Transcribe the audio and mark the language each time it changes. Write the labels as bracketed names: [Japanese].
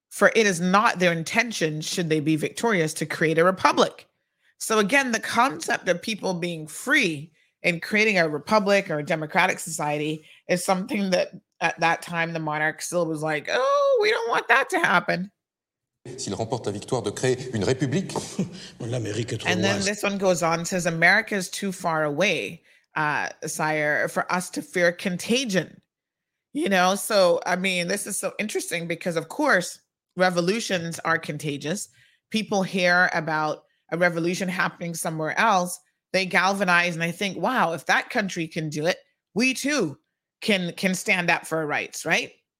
[English] For it is not their intention, should they be victorious, to create a republic. So again, the concept of people being free and creating a republic or a democratic society is something that at that time, the monarch still was like, oh, we don't want that to happen. [French] S'il remporte la victoire de créer une république, l'Amérique est trop loin. [English] And then this one goes on, says America is too far away, sire, for us to fear contagion. You know, so I mean, this is so interesting because of course revolutions are contagious. People hear about a revolution happening somewhere else, they galvanize and they think, wow, if that country can do it, we too can stand up for our rights, right?